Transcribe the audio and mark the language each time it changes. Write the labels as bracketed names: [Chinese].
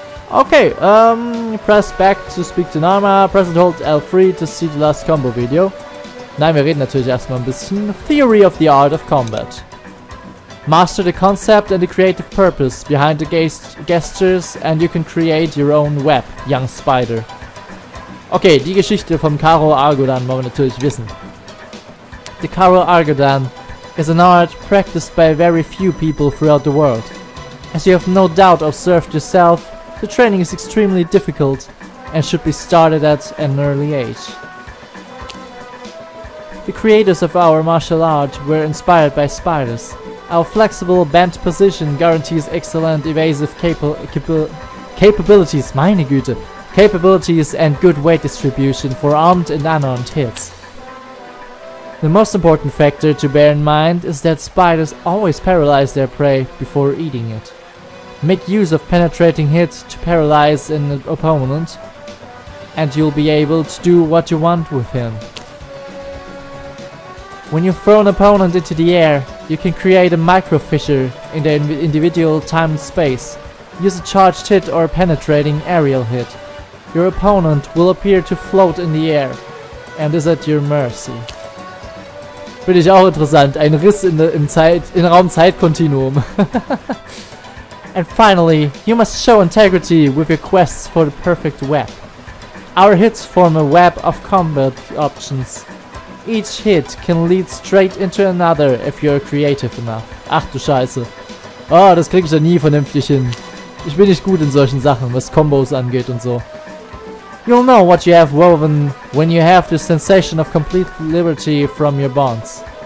[English] Okay, press back to speak to Nama, press and hold L3 to see the last combo video. [German] Nein, wir reden natürlich erstmal ein bisschen. [English] Theory of the Art of Combat. Master the concept and the creative purpose behind the gestures and you can create your own web, young spider. [German] Okay, die Geschichte vom Cairo Argodan wollen wir natürlich wissen. [English] The Cairo Argodan is an art practiced by very few people throughout the world. As you have no doubt observed yourself, the training is extremely difficult and should be started at an early age. The creators of our martial art were inspired by spiders. Our flexible bent position guarantees excellent evasive capabilities, [German] meine Güte, [English] capabilities and good weight distribution for armed and unarmed hits. The most important factor to bear in mind is that spiders always paralyze their prey before eating it. Make use of penetrating hits to paralyze an opponent, and you'll be able to do what you want with him. When you throw an opponent into the air, you can create a micro fissure in the individual time and space. Use a charged hit or a penetrating aerial hit. Your opponent will appear to float in the air and is at your mercy. [German] Finde ich auch interessant, ein Riss in der, im Raum-Zeit-Kontinuum. [English] And finally, you must show integrity with your quests for the perfect web. Our hits form a web of combat options. Each hit can lead straight into another if you're creative enough. [German] Ach du Scheiße. Oh, das krieg ich ja nie vernünftig hin. Ich bin nicht gut in solchen Sachen, was Combos angeht und so. [English] You'll know what you have woven when you have the sensation of complete liberty from your bonds.